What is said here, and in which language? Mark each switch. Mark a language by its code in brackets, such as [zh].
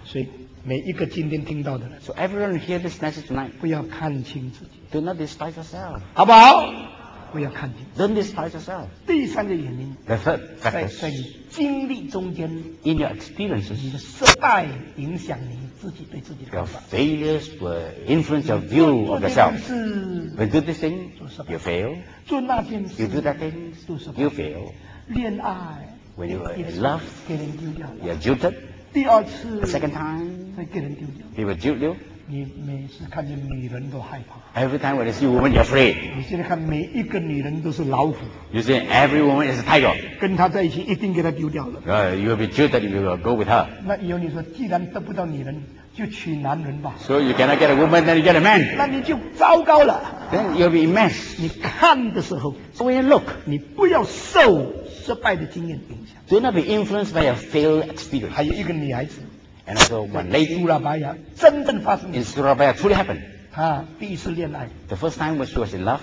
[zh] 所以每一个今天听到的人。 [en] So everyone hear this message tonight. [zh] 不要看清自己。 [en] Do not despise yourself. [zh] 好不好？不要看清。 [en] Don't despise yourself. [zh] 第三个原因。 [en] The third factor. [zh] 在你经历中间。 [en] In your experiences. [zh] 你的失败影响你自己对自己的看法。 [en] Your failures will influence your view of yourself. [zh] 是。 [en] When you do this thing, you fail. [zh] 做那件事。 [en] You do that thing, you fail. [zh] 恋爱。 [en] When you are in love, you are jilted. [zh] 第二次 [en] the second time, [zh] 再给人丢掉 [en] he will jilt you. [zh] 你每次看见女人都害怕 [en] Every time when you see a woman, you're afraid. [zh] 你现在看每一个女人都是老虎 [en] You see, every woman is a tiger. [zh] 跟她在一起一定给她丢掉了 [en] You will be jilted if you will go with her. [zh] 那以后你说既然得不到女人就娶男人吧 [en] So you cannot get a woman, then you get a man. [zh] 那你就糟糕了 [en] Then you'll be immense. [zh] 你看的时候 [en] So when you look, [zh] 你不要受失败的经验影响。 [en] Do not be influenced by a failed experience. [zh] 还有一个女孩子。 [en] And also one lady. [zh] 在苏拉巴亚真正发生。 [en] In Surabaya truly happened. [zh] 她第一次恋爱。 [en] The first time when she was in love.